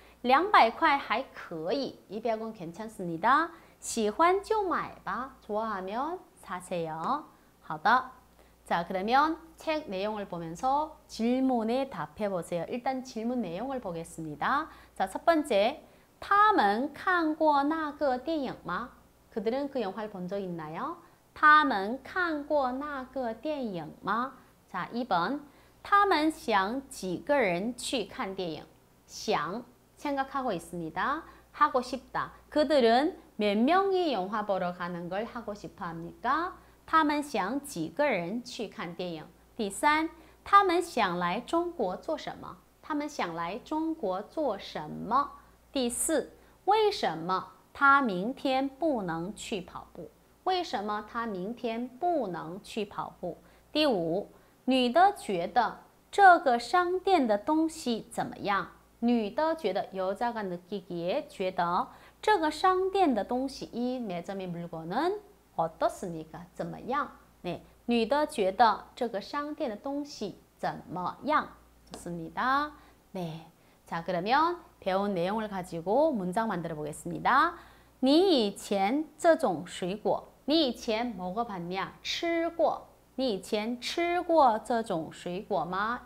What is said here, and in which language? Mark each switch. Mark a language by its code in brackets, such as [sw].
[zh] 200块还可以, [ko] 200원 괜찮습니다. [zh] 喜欢就买吧, [ko] 좋아하면 사세요. [zh] 好的. [ko] 자, 그러면 책 내용을 보면서 질문에 답해 보세요. 일단 질문 내용을 보겠습니다. 자, 첫 번째, [zh] 他们看过那个电影吗? [ko] 그들은 그 영화를 본 적 있나요? [zh] 他们看过那个电影吗? [ko] 자, 2번, [zh] 他们想几个人去看电影? [ko] 想, 생각하고 있습니다. 하고 싶다. 그들은 몇 명이 영화 보러 가는 걸 하고 싶어 합니까? [zh] 他们想几个人去看电影?第三, 他们想来中国做什么? 他们想来中国做什么?第四, 为什么他明天不能去跑步? 为什么他明天不能去跑步?第五, 女的觉得这个商店的东西怎么样? 女的觉得, [ko] 여자가 느끼기에 [zh] 觉得, 这个商店的东西, [ko] 이 매점의 물건은 어떻습니까? [zh] 怎么样? 네, 女的觉得这个商店的东西怎么样? [ko] 좋습니다. 네, 자, 그러면 배운 내용을 가지고 문장 만들어 보겠습니다. [zh] 你以前这种水果, 你以前 [ko] 먹어봤냐? [zh] 吃过, 你以前吃过这种水果吗?